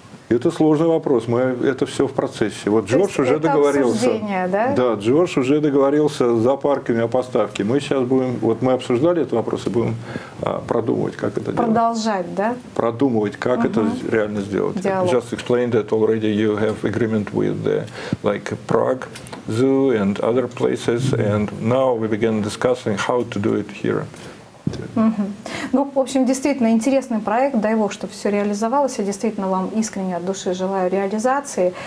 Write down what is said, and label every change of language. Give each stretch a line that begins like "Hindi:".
Russian: Это сложный вопрос. Мы это все в процессе. Вот Джордж уже договорился. Да, Джордж уже договорился с зоопарками о поставке. Мы сейчас будем, вот мы обсуждали этот вопрос и будем продумывать, как это продолжать Продолжать, да? Продумывать, как это реально сделать. Диалог.
English: Just explain that already you have agreement with the like Prague Zoo and other places, and now we begin discussing how to do it here.
Russian: Ну, в общем, действительно интересный проект. Дай Бог, чтобы все реализовалось. Я действительно вам искренне от души желаю реализации.